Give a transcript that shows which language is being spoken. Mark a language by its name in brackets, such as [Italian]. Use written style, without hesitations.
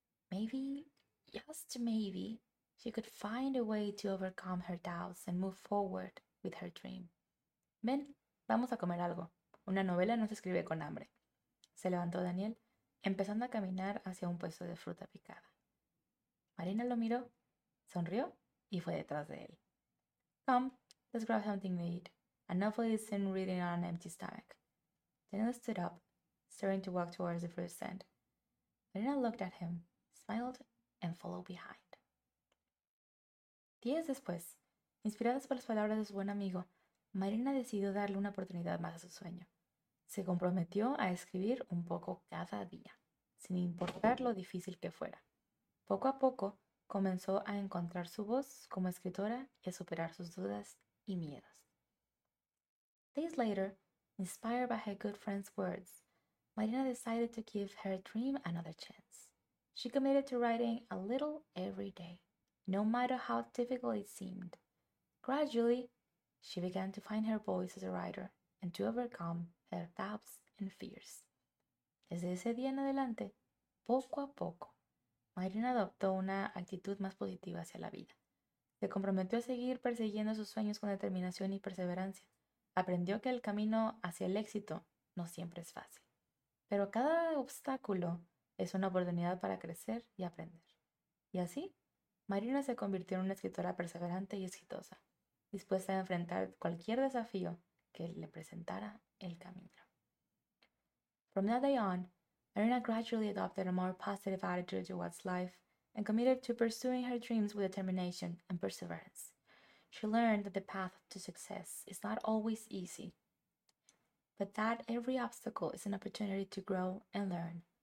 [English] Maybe, just maybe, she could find a way to overcome her doubts and move forward with her dream. [Spanish] Ven, vamos a comer algo. Una novela no se escribe con hambre. Se levantó Daniel, empezando a caminar hacia un puesto de fruta picada. Marina lo miró, sonrió y fue detrás de él. [English] Come, let's grab something to eat. Enough of this and reading on an empty stomach. Daniel stood up, starting to walk towards the fruit stand. Marina looked at him, smiled, and followed behind. [Spanish] Días después, inspiradas por las palabras de su buen amigo, Marina decidió darle una oportunidad más a su sueño. Se comprometió a escribir un poco cada día, sin importar lo difícil que fuera. Poco a poco, comenzó a encontrar su voz como escritora y a superar sus dudas y miedos. [English] Days later, inspired by her good friend's words, Marina decided to give her dream another chance. She committed to writing a little every day, no matter how difficult it seemed. Gradually, she began to find her voice as a writer and to overcome her doubts and fears. [Spanish] Desde ese día en adelante, poco a poco, Marina adoptó una actitud más positiva hacia la vida. Se comprometió a seguir persiguiendo sus sueños con determinación y perseverancia. Aprendió que el camino hacia el éxito no siempre es fácil. Pero cada obstáculo es una oportunidad para crecer y aprender. Y así, Marina se convirtió en una escritora perseverante y exitosa, dispuesta a enfrentar cualquier desafío que le presentara el camino. [English] From that day on, Marina gradually adopted a more positive attitude towards life and committed to pursuing her dreams with determination and perseverance. She learned that the path to success is not always easy, but that every obstacle is an opportunity to grow and learn.